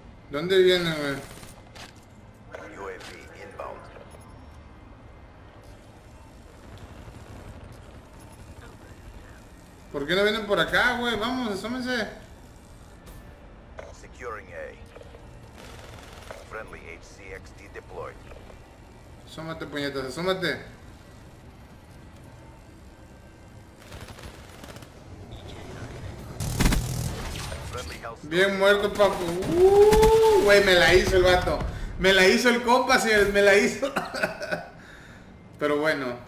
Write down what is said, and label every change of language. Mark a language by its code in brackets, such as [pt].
[es] ¿Dónde viene, güey? UAV ¿Por qué no vienen por acá, güey? Vamos, asómense. [en] Securing A. Friendly HCXD deployed. [es] Asómate, puñetas, asómate. Bien muerto, papu. Güey, me la hizo el vato. Me la hizo el compa, señores, me la hizo. Pero bueno.